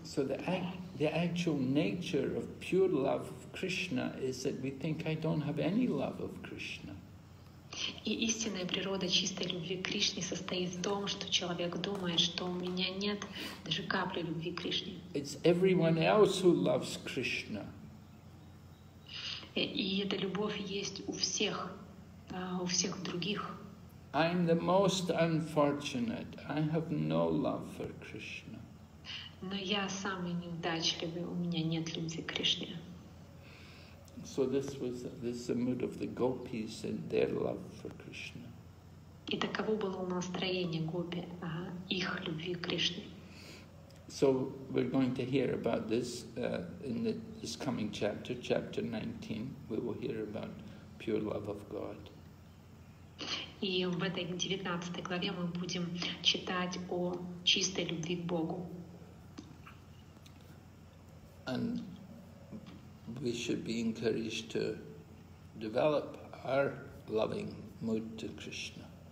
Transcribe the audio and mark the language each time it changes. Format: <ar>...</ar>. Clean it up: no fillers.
<en>So the actual nature of pure love of Krishna is that we think I don't have any love of Krishna.</en> <ru>И истинная природа чистой любви к Кришне состоит в том, что человек думает, что у меня нет даже капли любви к Кришне.</ru> <en>It's everyone else who loves Krishna.</en> <ru>И эта любовь есть у всех других.</ru> <en>I'm the most unfortunate. I have no love for Krishna.</en> <ru>Но я самый неудачливый, у меня нет любви к Кришне.</ru> <en>So this is the mood of the gopis and their love for Krishna.</en> <ru>И таково было настроение гопи, их любви к Кришне.</ru> <en>So we're going to hear about this in this coming chapter, chapter 19. We will hear about pure love of God.</en> <ru>И в этой 19 главе мы будем читать о чистой любви к Богу.</ru> <en>And we should be encouraged to develop our loving mood to Krishna.</en>